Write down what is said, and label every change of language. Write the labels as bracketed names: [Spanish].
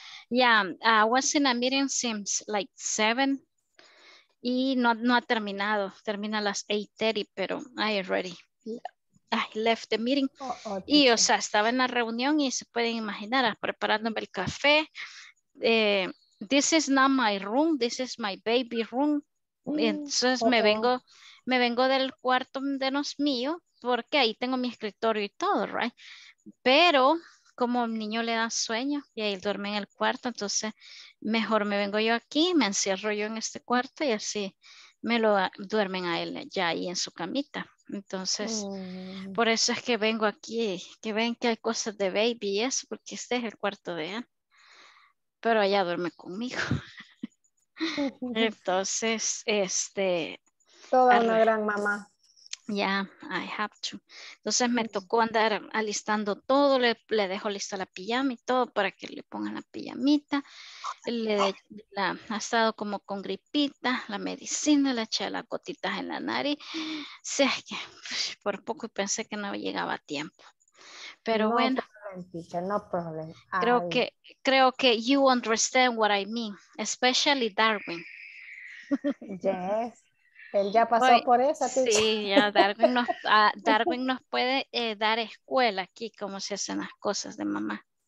[English] Yeah, I was in a meeting since like 7. [Spanish] Y no ha terminado, termina a las 8:30, pero [English] I left the meeting. [Spanish] Y o sea, estaba en la reunión y se pueden imaginar, preparándome el café. [English] This is not my room, this is my baby room. [Spanish] Entonces me vengo del cuarto de los míos, porque ahí tengo mi escritorio y todo, right? Pero como el niño le da sueño y ahí duerme en el cuarto, entonces mejor me vengo yo aquí, me encierro yo en este cuarto y así me lo duermen a él ya ahí en su camita. Entonces, por eso es que vengo aquí, que ven que hay cosas de baby y eso, porque este es el cuarto de él, pero allá duerme conmigo. Entonces, toda una gran mamá. [English] Ya, yeah, I have to. [Spanish] Entonces me tocó andar alistando todo, le dejo lista la pijama y todo para que le pongan la pijamita. Ha estado como con gripita, la medicina, le eché las gotitas en la nariz. Sí, es que por poco pensé que no llegaba a tiempo. Pero no, bueno. [English] No problem. [Spanish] Creo que [English] you understand what I mean, especially Darwin. [Spanish] Yes. Él ya pasó por esa. Sí, ya Darwin nos puede dar escuela aquí, cómo se hacen las cosas de mamá.